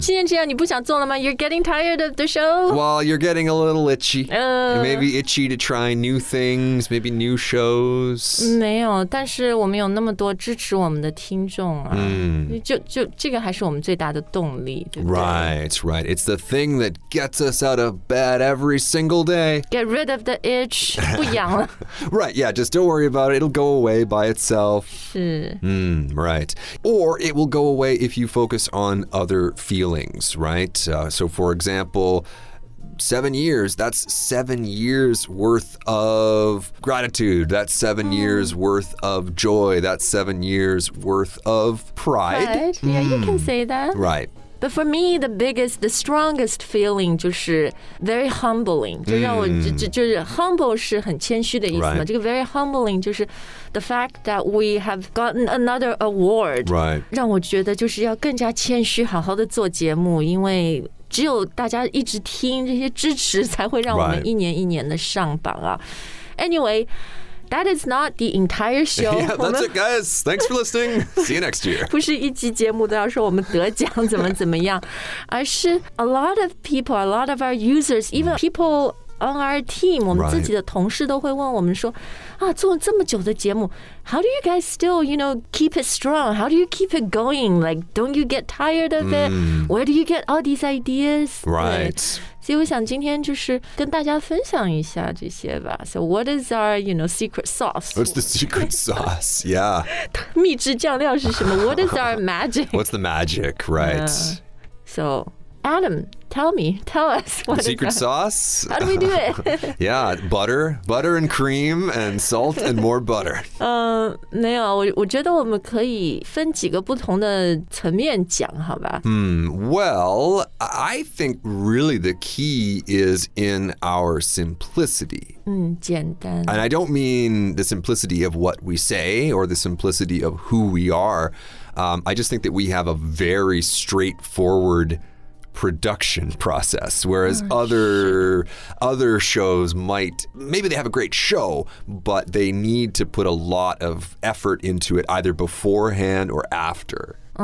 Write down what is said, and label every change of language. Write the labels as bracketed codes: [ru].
[zh] 七年之痒你不想做了吗？ [en] You're getting tired of the show? Well, you're getting a little itchy. Maybe itchy to try new things, maybe new shows. [zh] 没有，但是我们有那么多支持我们的听众啊。就这个还是我们最大的动力，对不对？ [en] Right, right. It's the thing that gets us out of bed every single day. Get rid of the itch. [zh] 不痒了。 [en] Right. Yeah, just don't worry about it. It'll go away by itself. [zh] 是。 [en] Right. Or it will go away if you focus on other feelings, right? So for example, 7 years, that's 7 years worth of gratitude. That's 7 years worth of joy. That's 7 years worth of pride. Right. Yeah, you can say that. Right. But for me, the biggest, the strongest feeling [zh] 就是 [en] very humbling. [zh] 就让我、就是 humble 是很谦虚的意思嘛、 [en] right. [zh] 这个 [en] very humbling [zh] 就是 [en] the fact that we have gotten another award. Right. [zh] 让我觉得就是要更加谦虚好好的做节目因为只有大家一直听这些支持才会让我们一年一年的上榜啊。 [en] Anyway,That is not the entire show. Yeah, that's it, guys. Thanks for listening. See you next year. [zh] 不是一集节目都要说我们得奖怎么怎么样，而是 [en] a lot of people, a lot of our users, even people on our team, [zh] 我们自己的同事都会问我们说，啊，做这么久的节目 ， [en] How do you guys still, you know, keep it strong? How do you keep it going? Like, don't you get tired of it? Where do you get all these ideas? Right. [zh] 所以我想今天就是跟大家分享一下这些吧。 [en] So what is our, you know, secret sauce? What's the secret sauce? Yeah. [zh] 秘制酱料是什么 ？ [en] What is our magic? What's the magic, right?、 So, Adam, tell me, tell us. What secret is our, sauce? How do we do it? Yeah, butter, butter and cream and salt and more butter. [zh] 没有，我觉得我们可以分几个不同的层面讲，好吧？ [en] Well, I think really the key is in our simplicity. [zh] 简单。 [en] And I don't mean the simplicity of what we say or the simplicity of who we are. I just think that we have a very straightforward production process, whereas other shows might, maybe they have a great show, but they need to put a lot of effort into it either beforehand or after.